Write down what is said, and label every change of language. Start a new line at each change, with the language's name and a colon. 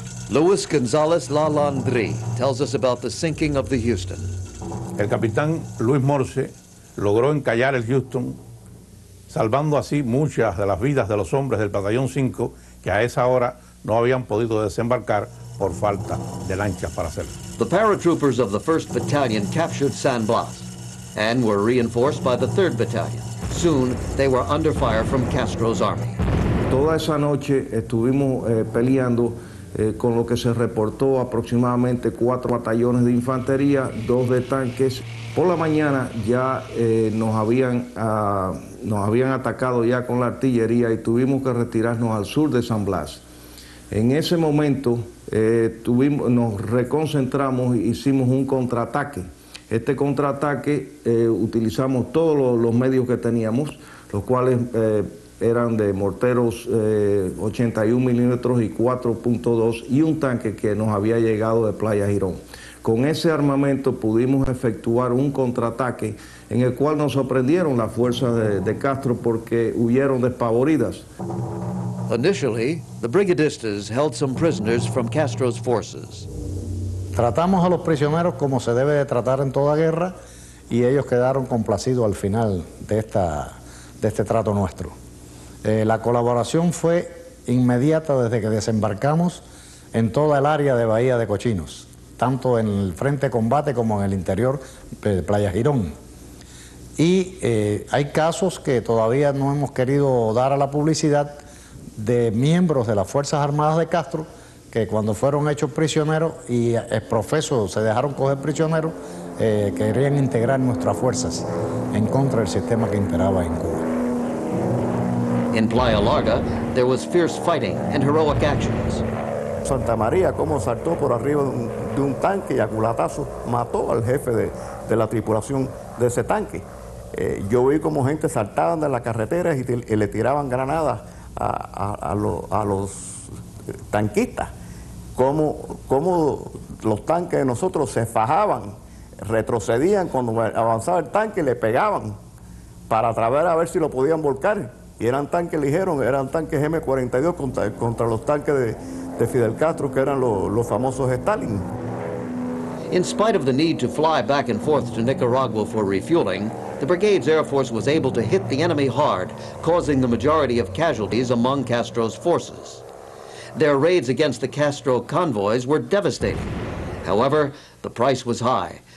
English: Luis González Lalandri tells us about the sinking of the Houston.
Spanish: El capitán Luis Morse logró encallar el Houston, salvando así muchas de las vidas de los hombres del Batallón 5 que a esa hora no habían podido desembarcar por falta de lanchas para hacerlo.
English: The paratroopers of the 1st Battalion captured San Blas and were reinforced by the 3rd Battalion. Soon they were under fire from Castro's army.
Spanish: Toda esa noche estuvimos peleando con lo que se reportó aproximadamente 4 batallones de infantería, 2 de tanques. Por la mañana ya nos habían atacado ya con la artillería y tuvimos que retirarnos al sur de San Blas. En ese momento nos reconcentramos e hicimos un contraataque. Este contraataque utilizamos todos los medios que teníamos, los cuales eran de morteros 81 milímetros y 4.2 y un tanque que nos había llegado de Playa Girón. Con ese armamento pudimos efectuar un contraataque en el cual nos sorprendieron las fuerzas de Castro porque huyeron despavoridas.
English: Initially, the brigadistas held some prisoners from Castro's forces.
Spanish: Tratamos a los prisioneros como se debe de tratar en toda guerra y ellos quedaron complacidos al final de este trato nuestro. La colaboración fue inmediata desde que desembarcamos en toda el área de Bahía de Cochinos, tanto en el frente de combate como en el interior de Playa Girón. Y hay casos que todavía no hemos querido dar a la publicidad de miembros de las Fuerzas Armadas de Castro que cuando fueron hechos prisioneros y profesos se dejaron coger prisioneros, querían integrar nuestras fuerzas en contra del sistema que imperaba en Cuba.
English: En Playa Larga, there was fierce fighting and heroic actions.
Spanish: Santa María, como saltó por arriba de un tanque y a culatazo mató al jefe de la tripulación de ese tanque. Yo vi como gente saltaban de las carreteras y le tiraban granadas a los tanquistas. Como los tanques de nosotros se fajaban, retrocedían cuando avanzaba el tanque y le pegaban para traer a ver si lo podían volcar. Y eran tanques ligeros, eran tanques M-42 contra los tanques de Fidel Castro, que eran los famosos Stalin.
English: In spite of the need to fly back and forth to Nicaragua for refueling, the brigade's air force was able to hit the enemy hard, causing the majority of casualties among Castro's forces. Their raids against the Castro convoys were devastating. However, the price was high.